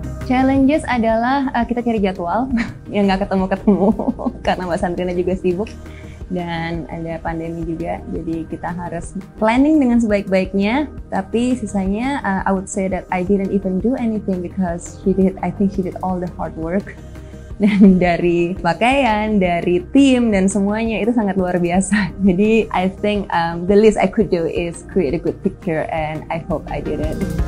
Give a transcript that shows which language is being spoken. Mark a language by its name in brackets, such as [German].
[Indonesian] Challenges adalah kita cari jadwal yang nggak ketemu-ketemu karena Mbak Sandrina juga sibuk dan ada pandemi juga, jadi kita harus planning dengan sebaik-baiknya. Tapi sisanya [English] I would say that I didn't even do anything because she did all the hard work. [Indonesian] Dan dari pakaian, dari tim, dan semuanya itu sangat luar biasa. Jadi [English] I think the least I could do is create a good picture, and I hope I did it.